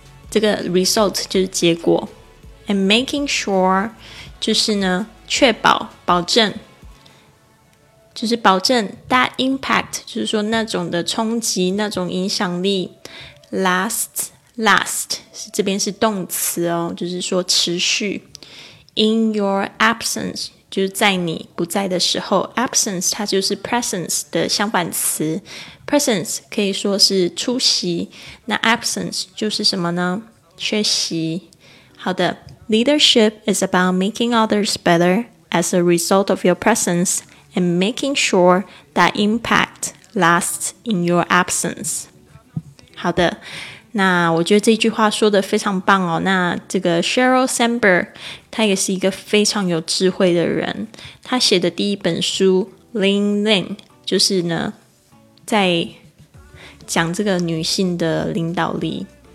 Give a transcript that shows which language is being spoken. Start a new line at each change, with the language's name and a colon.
Chinese: 这个 result 就是结果，
English: and making sure
Chinese: 就是呢确保保证，就是保证 that impact 就是说那种的冲击，那种影响力 last 是这边是动词哦，就是说持续。
English: In your absence
Chinese: 就是在你不在的时候， absence 它就是 presence 的相反词， presence 可以说是出席，那 absence 就是什么呢？缺席。好的，
English: Leadership is about making others better as a result of your presence and making sure that impact lasts in your absence。
Chinese: 好的，那我觉得这句话说的非常棒哦。那这个 Sheryl Sandberg 他也是一个非常有智慧的人，他写的第一本书 Lean Lean 就是呢在讲这个女性的领导力。